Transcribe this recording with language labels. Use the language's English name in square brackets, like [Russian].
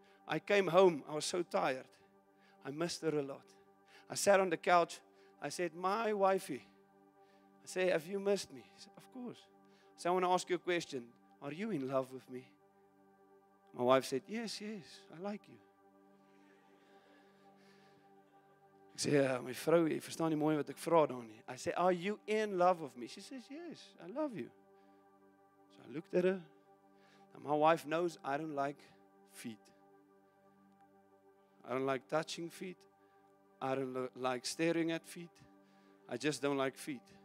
[English] I came home. I was so tired. I missed her a lot. I sat on the couch. I said, my wifey. I said, have you missed me? She said, of course. So I want to ask you a question. Are you in love with me? My wife said, yes, yes, I like you. I said, [Afrikaans] my vrou, jy verstaan nie mooi wat ek vra dan nie. [English] I said, are you in love with me? She says, yes, I love you. So I looked at her. And my wife knows I don't like feet. I don't like touching feet. I don't like staring at feet. I just don't like feet.